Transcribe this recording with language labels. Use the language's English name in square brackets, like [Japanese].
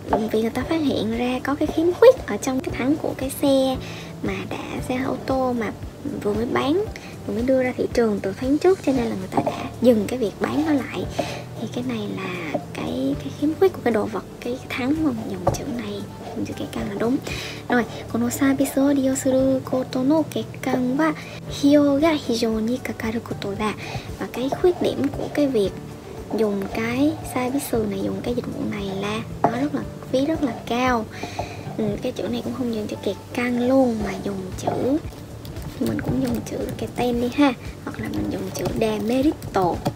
[Vietnamese] Vì người ta phát hiện ra có cái khiếm khuyết ở trong cái thắng của cái xe mà đã xe ô tô mà vừa mới bán, vừa mới đưa ra thị trường từ tháng trước, cho nên là người ta đã dừng cái việc bán nó lại. Thì cái này là cái khiếm khuyết của cái đồ vật, cái thắng mà mình dùng chữ này, dùng chữ kekkan là đúng. Rồi, [Japanese] このサービスを利用することの欠陥は費用が非常にかかることだ。 [Vietnamese] Và cái khuyết điểm của cái việc dùng cái service này, dùng cái dịch vụ này là nó rất là phí, rất là cao. Cái chữ này cũng không dùng chữ kẹt căng luôn mà dùng chữ, mình cũng dùng chữ cái tên đi ha, hoặc là mình dùng chữ demerito.